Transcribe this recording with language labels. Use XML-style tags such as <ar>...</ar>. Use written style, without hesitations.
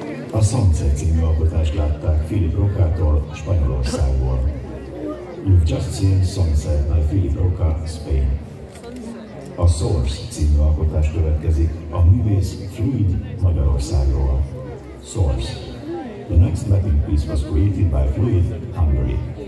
<hu>A Sunset című alkotást látták Philip Rocától, Spanyolországból.</hu> <en>You've just seen Sunset by Philip Roca, Spain.</en> <hu>A Source című alkotás következik a művész Fluid Magyarországról.</hu> <en>Source. The next mapping piece was created by Fluid Hungary.</en>